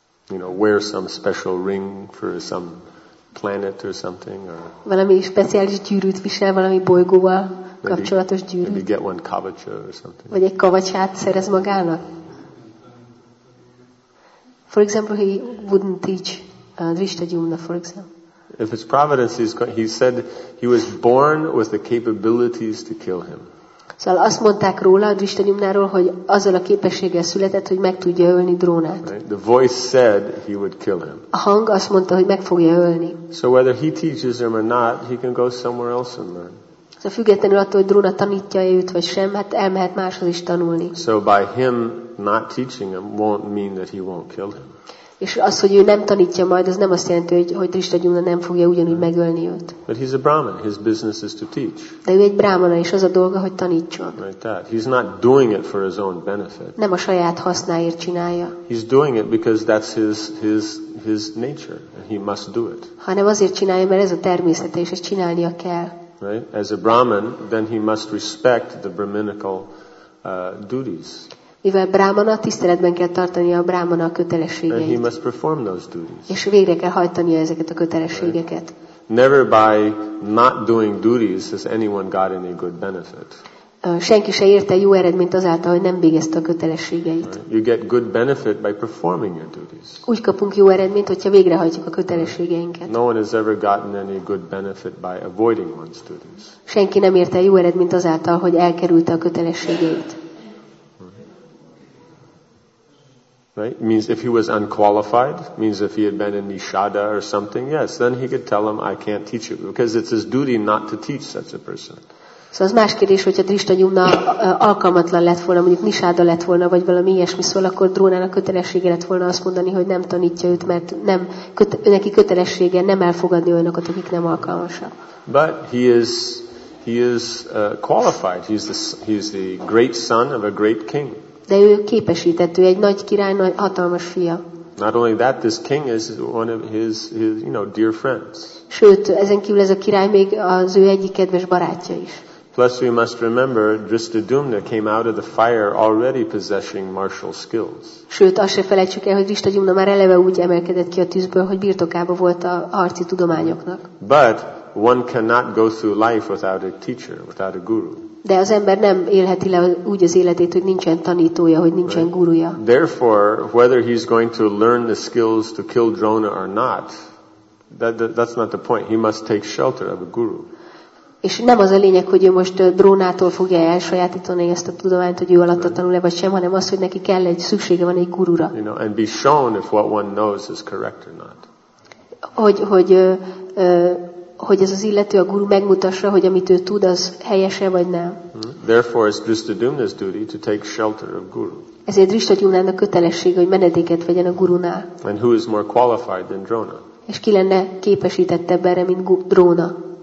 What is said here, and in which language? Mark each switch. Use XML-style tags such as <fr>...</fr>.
<en>You know, wear some special ring for some planet or something? Or</en> <hu>valami speciális gyűrűt visel, valami bolygóval kapcsolatos gyűrűt.</hu> <en>Maybe get one kavacsa or something.</en> <hu>Vagy egy kavacsát szerez magának?</hu> <en>For example, he wouldn't teach Drishtadyumna, for example. If it's providence, he said he was born with the capabilities to kill him.</en> <hu>Szóval azt mondták róla, Drishtadyumnáról, hogy azzal a képességgel született, hogy meg tudja ölni Drónát.</hu> <en>Right? The voice said he would kill him.</en> <hu>A hang azt mondta, hogy meg fogja ölni.</hu> <en>So whether he teaches him or not, he can go somewhere else and learn.</en> <hu>Szóval függetlenül attól, hogy Dróna tanítja őt vagy sem, hát elmehet máshoz is tanulni.</hu> <en>So by him not teaching him won't mean that he won't kill him.</en> <hu>És az, hogy ő nem tanítja majd, az nem azt jelenti, hogy Drishtadyumna nem fogja ugyanúgy megölni őt.</hu> <en>But he's a brahman, his business is to teach.</en> <hu>De ő egy brahmana, és az a dolga, hogy tanítson.</hu> <en>Right, that. He's not doing it for his own benefit.</en> <hu>Nem a saját hasznáért csinálja.</hu> <en>He's doing it because that's his nature, and he must do it.</en> <hu>Hanem azért csinálja, mert ez a természete, és ezt csinálnia kell.</hu> <en>Right? As a brahman, then he must respect the brahminical duties.</en> <hu>Mivel brámana, tiszteletben kell tartani a brámana a kötelességeit.</hu> <en>And he must perform those duties.</en> <hu>És végre kell hajtania ezeket a kötelességeket.</hu> <en>Right. Never by not doing duties has anyone got any good benefit.</en> <hu>Senki se érte jó eredményt azáltal, hogy nem végezte a kötelességeit.</hu> <en>Right. You get good benefit by performing your duties.</en> <hu>Úgy kapunk jó eredményt, hogyha végrehajtjuk a kötelességeinket.</hu> <en>No one has ever gotten any good benefit by avoiding one's duties.</en> <hu>Senki nem érte jó eredményt azáltal, hogy elkerülte a kötelességeit.</hu> <en>Right? It means if he was unqualified, means if he had been in Nishada or something, yes, then he could tell him, I can't teach you, because it's his duty not to teach such a person.</en> <hu>Szóval az más kérdés, hogyha Drista Gyumna alkalmatlan lett volna, mondjuk Nisáda lett volna, vagy valami ilyesmi, szól, akkor Drónának kötelessége lett volna azt mondani, hogy nem tanítja őt, mert nem, neki kötelessége nem elfogadni olyanokat, akik nem alkalmasak.</hu> <en>But he is qualified. He's the great son of a great king.</en> <hu>De ő képesített, ő egy nagy király, nagy, hatalmas fia.</hu> <en>Not only that, this king is one of his you know, dear friends.</en> <hu>Sőt, ezen kívül ez a király még az ő egyik kedves barátja is.</hu> <en>Plus, we must remember, Drishtadyumna came out of the fire already possessing martial skills.</en> <hu>Sőt, azt se felejtsük el, hogy Drishtadyumna már eleve úgy emelkedett ki a tűzből, hogy birtokába volt a harci tudományoknak.</hu> <en>But one cannot go through life without a teacher, without a guru.</en> <hu>De az ember nem élheti le úgy az életét, hogy nincsen tanítója, hogy nincsen gurúja.</hu> <en>Therefore, whether he's going to learn the skills to kill Drona or not, that's not the point. He must take shelter of a guru.</en> <hu>És nem az a lényeg, hogy ő most Drónától fogja elsajátítani ezt a tudományt, hogy ő alatta tanul-e vagy sem, hanem az, hogy neki kell egy szüksége van egy gurúra.</hu> <en>You know, and be shown if what one knows is correct or not.</en> <hu>Hogy ez az illető, a guru megmutassa, hogy amit ő tud, az helyes-e vagy nem.</hu> <en>Therefore, it's Drishtadyumna's duty to take shelter of guru.</en> <hu>Ezért Drishtadyumnának kötelessége, hogy menedéket vegyen a gurunál.</hu> <en>And who is more qualified than Drona?</en> <hu>És ki lenne képesítettebb erre, mint Drona?</hu>